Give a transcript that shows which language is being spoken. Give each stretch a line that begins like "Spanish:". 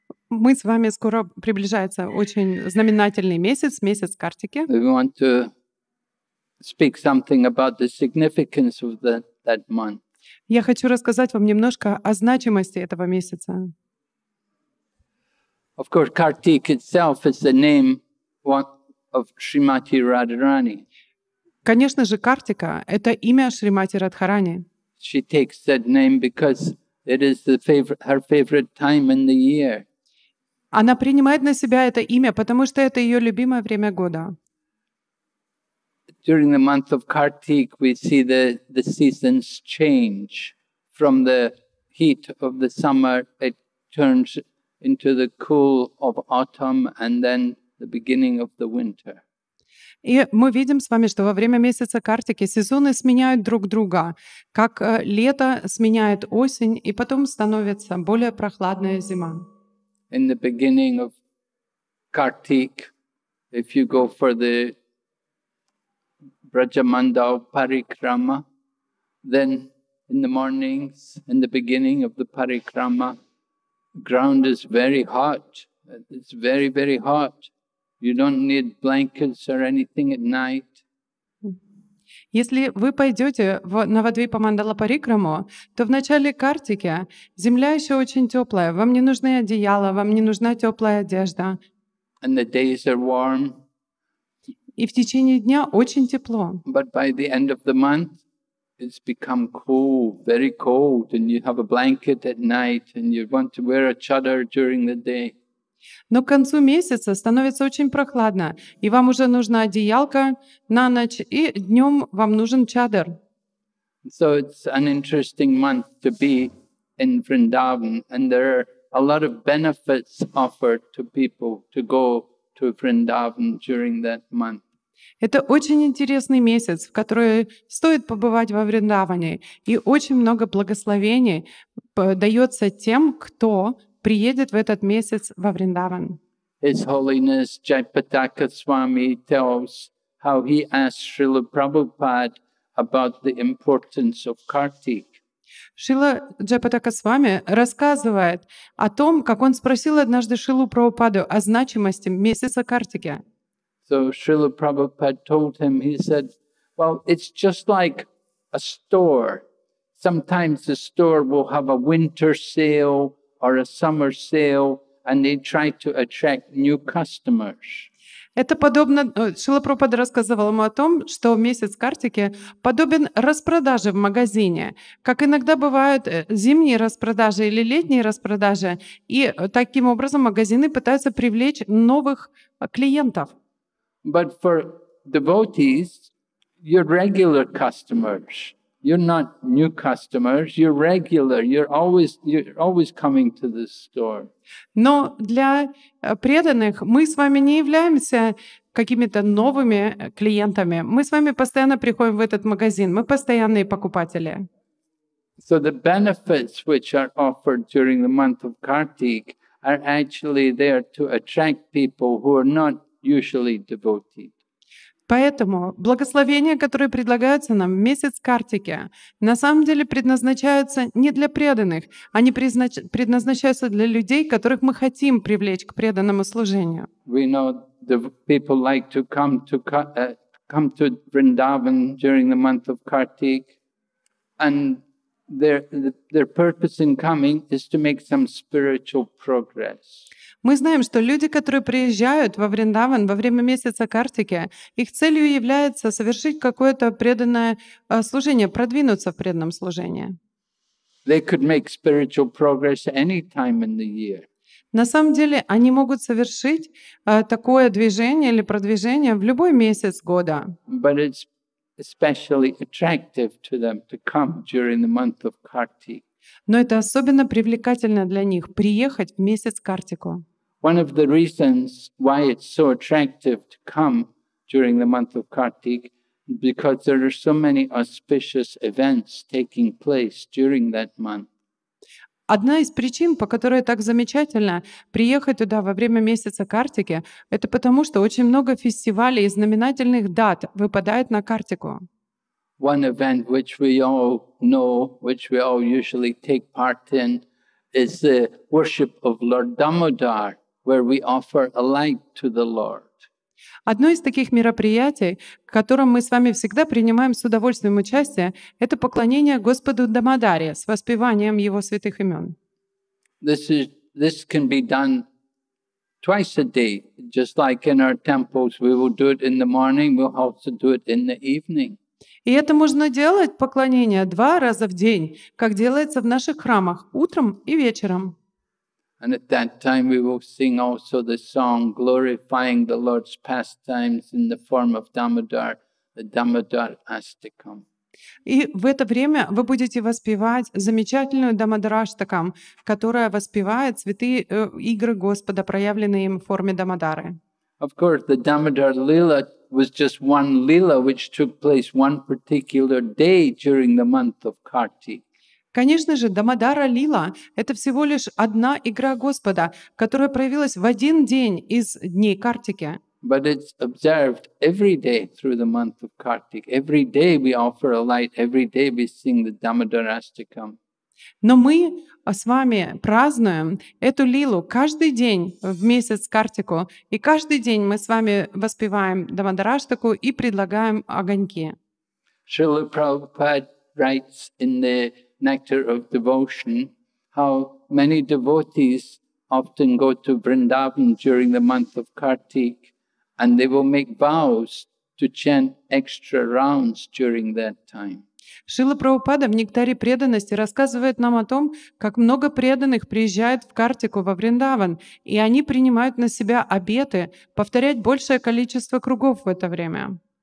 Russian: Мы с вами скоро приближается очень знаменательный месяц, месяц Картики.
English: We want to speak something about the significance of that month.
Russian: Я хочу рассказать вам немножко о значимости этого месяца.
English: Of course, Kartik itself is the name of Shrimati Radharani.
Russian: Конечно же, Картика — это имя Шримати Радхарани.
English: She takes that name because it is her favorite time in the year.
Russian: Она принимает на себя это имя, потому что это ее любимое время года.
English: During the month of Kartik, we see the seasons change. From the heat of the summer, it turns into the cool of autumn and then the beginning of the winter.
Russian: И мы видим с вами, что во время месяца Картики сезоны сменяют друг друга, как лето сменяет осень, и потом становится более прохладная зима.
English: In the beginning of Kartik, if you go for the Brajamandal Parikrama, then in the mornings, in the beginning of the Parikrama, ground is very hot. It's very, very hot. You don't need blankets or anything at night.
Russian: Если вы пойдете на Вадвипа Мандала Парикраму, то в начале Картики земля еще очень теплая. Вам не нужны одеяла, вам не нужна теплая одежда.
English: And the days are warm.
Russian: И в течение дня очень тепло.
English: But by the end of the month, it's become cool, very cold, and you have a blanket at night, and you want to wear a chador during the day.
Russian: Но к концу месяца становится очень прохладно, и вам уже нужна одеялка на ночь, и днем вам нужен чадор.
English: So it's an interesting month to be in Vrindavan, and there are a lot of benefits offered to people to go to Vrindavan during that month.
Russian: Это очень интересный месяц, в который стоит побывать во Вриндаване, и очень много благословений дается тем, кто приедет в этот месяц во Вриндаван.
English: His Holiness Jayapataka Swami tells how he asked Srila Prabhupada about the importance of Kartik.
Russian: Шрила Джайпатака Свами рассказывает о том, как он спросил однажды Шрилу Прабхупаду о значимости месяца Картики.
English: So Srila Prabhupada told him, he said, well, it's just like a store. Sometimes the store will have a winter sale or a summer sale, and they try to attract new customers.
Russian: Это подобно, Шрила Прабхупада рассказывал ему о том, что месяц Картики подобен распродаже в магазине. Как иногда бывают зимние распродажи или летние распродажи, и таким образом магазины пытаются привлечь новых клиентов.
English: But for devotees, you're regular customers. You're not new customers. You're regular. You're always coming to this store.
Russian: Но для преданных мы с вами не являемся какими-то новыми клиентами. Мы с вами постоянно приходим в этот магазин. Мы постоянные покупатели.
English: So the benefits which are offered during the month of Kartik are actually there to attract people who are not usually devoted.
Russian: Поэтому благословения, которые предлагаются нам в месяц Картики, на самом деле предназначаются не для преданных, они предназначаются для людей, которых мы хотим привлечь к преданному служению.
English: We know the people like to come to Vrindavan during the month of Kartik, and their purpose in coming is to make some spiritual progress.
Russian: Мы знаем, что люди, которые приезжают во Вриндаван во время месяца Картики, их целью является совершить какое-то преданное служение, продвинуться в преданном служении.
English: They could make spiritual progress any time in the year.
Russian: На самом деле, они могут совершить такое движение или продвижение в любой месяц года.
English: But it's especially attractive to them to come during the month of Kartik.
Russian: Но это особенно привлекательно для них приехать в месяц Картику.
English: One of the reasons why it's so attractive to come during the month of Kartik Because there are so many auspicious events taking place during that month.
Russian: Одна из причин, по которой так замечательно приехать туда во время месяца Картики, это потому, что очень много фестивалей и знаменательных дат выпадает на Картику.
English: One event which we all know, which we all usually take part in, is the worship of Lord Damodar, where we offer a light to the Lord.
Russian: Одно из таких мероприятий, в котором мы с вами всегда принимаем с удовольствием участие, это поклонение Господу Дамодаре с воспеванием Его святых имен.
English: This can be done twice a day, just like in our temples. We will do it in the morning, we'll also do it in the evening.
Russian: И это можно делать, поклонение, два раза в день, как делается в наших храмах, утром и вечером.
English: And at that time we will sing also the song glorifying the Lord's pastimes in the form of Damodar, the Damodar Astakam.
Russian: И в это время вы будете воспевать замечательную Дамодараштакам, которая воспевает святые игры Господа, проявленные им в форме Дамодары.
English: Of course, the Damodar Lila was just one Lila which took place one particular day during the month of Karti.
Russian: Конечно же, Дамодара Лила — это всего лишь одна игра Господа, которая проявилась в один день из дней Картики.
English: But it's observed every day through the month of Kartik. Every day we offer a light, every day we sing the Damodarashtakam.
Russian: Но мы с вами празднуем эту Лилу каждый день в месяц Картику, и каждый день мы с вами воспеваем Дамодараштаку и предлагаем огоньки.
English: Шрила Прабхупада writes in the Nectar of Devotion, how many devotees often go to Vrindavan during the month of Kartik, and they will make vows to chant extra rounds during that time.
Russian: Шрила Прабхупада в Нектаре преданности рассказывает нам о том, как много преданных приезжает в Картику во Вриндаван, и они принимают на себя обеты повторять большее количество кругов в это время.